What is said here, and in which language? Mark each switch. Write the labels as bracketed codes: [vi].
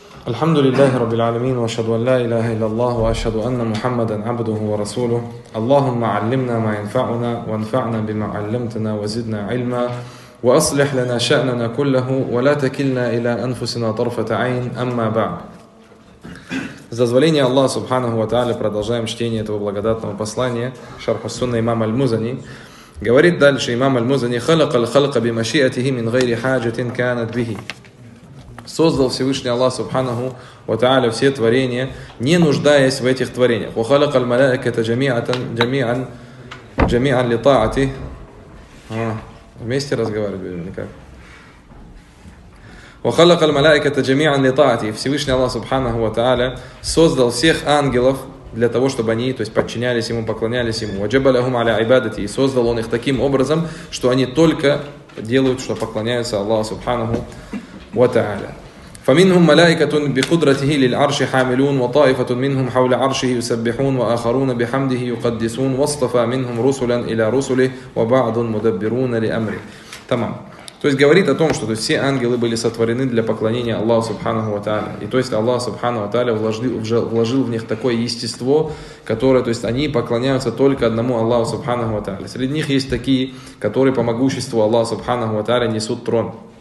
[ar] الحمد لله رب العالمين وأشهد أن لا إله إلا الله وأشهد أن محمدا عبده ورسوله اللهم علمنا ما ينفعنا وانفعنا بما علمتنا وزدنا علما وأصلح لنا شأننا كله ولا تكلنا إلى أنفسنا طرفة عين أما بعد. [ru] С дозволения Аллаха Субханаху ва Тааля продолжаем чтение этого благодатного послания Шарху Сунна имама Аль-Музани. Говорит дальше имам Аль-Музани: [ar] خلق الخلق بمشيئته من غير حاجة كانت به. [ru] Создал Всевышний Аллах Субханаху ва Тааля все творения, не нуждаясь в этих творениях. [ar] Ва халака аль-малаиката джамиан ли таати. [ru] Вместе разговаривать никак. [ar] Ва халака аль-малаиката джамиан ли таати. [ru] Всевышний Аллах Субханаху ва Тааля создал всех ангелов для того, чтобы они, то есть, подчинялись ему, поклонялись ему. [ar] Ва джабалахум аля ибадати. [ru] И создал он их таким образом, что они только делают, что поклоняются Аллаху Субханаху ва Тааля. [ar] فمنهم ملائكة بقدرته للعرش حاملون وطائفة منهم حول عرشه يسبحون وآخرون بحمده يقدسون واصطفى منهم رسلا إلى رسله وبعض مدبرون لأمره. تمام. [ru] То есть говорит о том, что то есть, все ангелы были сотворены для поклонения Аллаху Субханаху ва Тааля. И то есть Аллах Субханаху ва Тааля вложил в них такое естество, которое, то есть они поклоняются только одному Аллаху Субханаху ва Тааля. Среди них есть такие, которые по могуществу Аллаха Субханаху ва Тааля несут трон.